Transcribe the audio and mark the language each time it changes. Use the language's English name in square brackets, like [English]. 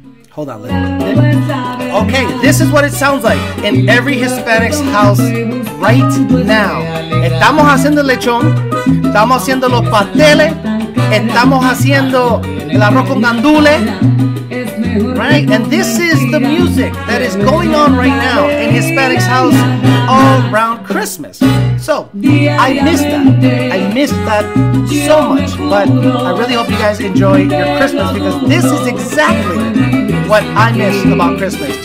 [English] Hold on, okay, this is what it sounds like in every Hispanic's house right now. [Spanish] Estamos haciendo lechón, estamos haciendo los pasteles, estamos haciendo el arroz con gandules, right? [English] And this is the music that is going on right now in Hispanic's house all around Christmas. So, I miss that. I miss that so much. But I really hope you guys enjoy your Christmas, because this is exactly what I miss about Christmas.